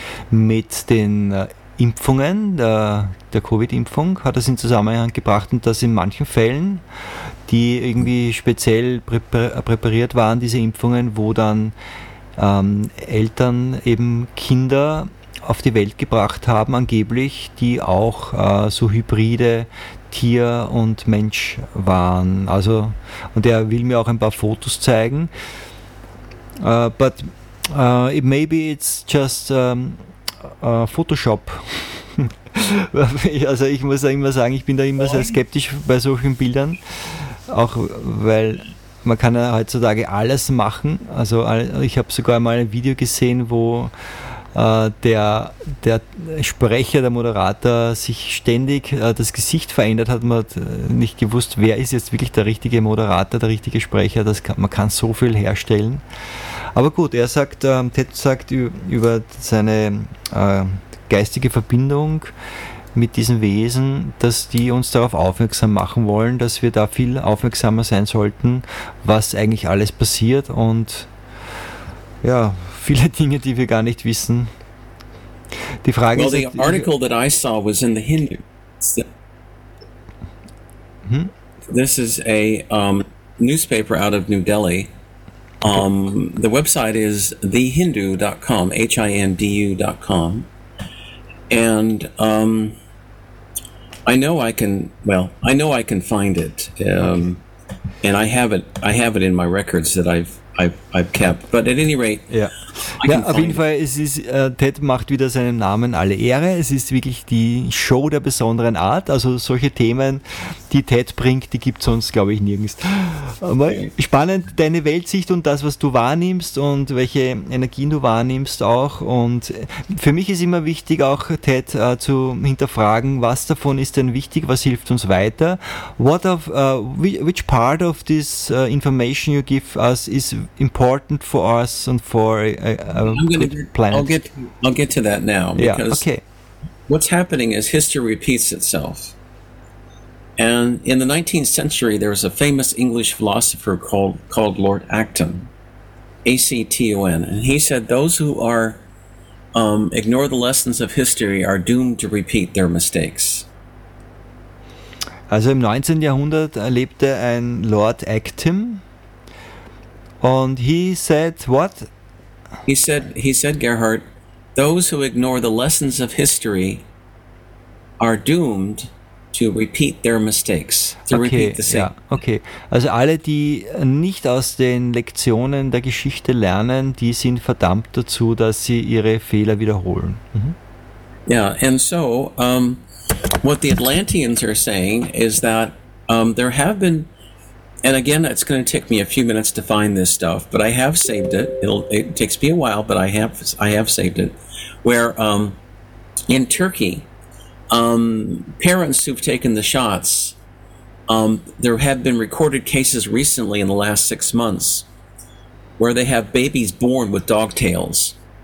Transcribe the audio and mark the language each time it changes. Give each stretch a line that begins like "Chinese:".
German: mit den Impfungen, der Covid-Impfung hat das in Zusammenhang gebracht und dass in manchen Fällen, die irgendwie speziell präpariert waren, diese Impfungen, wo dann Eltern eben Kinder auf die Welt gebracht haben, angeblich, die auch so hybride Tier und Mensch waren. Also, und er will mir auch ein paar Fotos zeigen.
English: But it, maybe it's just Photoshop.
German: Also ich muss immer sagen, ich bin da immer sehr skeptisch bei solchen Bildern. Auch weil man kann ja heutzutage alles machen. Also ich habe sogar mal ein Video gesehen, wo der Sprecher, der Moderator, sich ständig das Gesicht verändert hat. Man hat nicht gewusst, wer ist jetzt wirklich der richtige Moderator, der richtige Sprecher. Man kann so viel herstellen. Aber gut, er sagt, Ted sagt über seine geistige Verbindung mit diesen Wesen, dass die uns darauf aufmerksam machen wollen, dass wir da viel aufmerksamer sein sollten, was eigentlich alles passiert und ja, viele Dinge, die wir gar nicht wissen. Die Frage
English: well,
German: ist...
English: Well, the article that I saw was in the Hindu. This is a newspaper out of New Delhi. The website is thehindu.com, hindu.com. And I know I can find it. And I have it in my records that I've kept. But at any rate, yeah.
German: Ja, auf jeden Fall, es ist, Ted macht wieder seinem Namen alle Ehre. Es ist wirklich die Show der besonderen Art. Also solche Themen, die Ted bringt, die gibt es sonst, glaube ich, nirgends. Aber spannend, deine Weltsicht und das, was du wahrnimmst und welche Energien du wahrnimmst auch. Und für mich ist immer wichtig, auch Ted zu hinterfragen, was davon ist denn wichtig, was hilft uns weiter.
English: Which part of this information you give us is important for us and for I'll get to that now because yeah, okay. What's happening is history repeats itself. And in the 19th century there was a famous English philosopher called Lord Acton, Acton, and he said those who are ignore the lessons of history are doomed to repeat their mistakes.
German: Also im 19. Jahrhundert lebte ein
English: Lord Acton and he said what? He said, Gerhard, those who ignore the lessons of history are doomed to repeat their mistakes, to okay, repeat the same.
German: Ja, okay, also alle, die nicht aus den Lektionen der Geschichte lernen, die sind verdammt dazu, dass sie ihre Fehler wiederholen. Mhm.
English: Yeah, and so what the Atlanteans are saying is that there have been, and again, it's going to take me a few minutes to find this stuff, but I have saved it. It takes me a while, but I have saved it. Where in Turkey, parents who've taken the shots, there have been recorded cases recently in the last 6 months where they have babies born with dog tails.